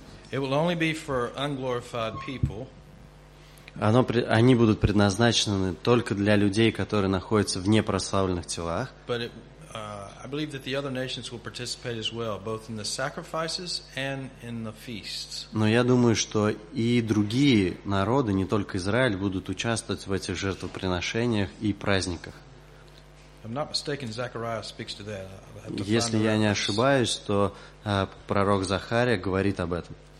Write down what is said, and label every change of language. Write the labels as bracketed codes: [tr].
[en] It will only be for unglorified people. [ru] Они будут предназначены только для людей, которые находятся в непрославленных телах. [en] But I believe that the other nations will participate as well, both in the sacrifices and in the feasts. [ru] Но я думаю, что и другие народы, не только Израиль, будут участвовать в этих жертвоприношениях и праздниках. [en] I'm not mistaken, Zechariah speaks to that. [ru] Если я не ошибаюсь, то пророк Захария говорит об этом.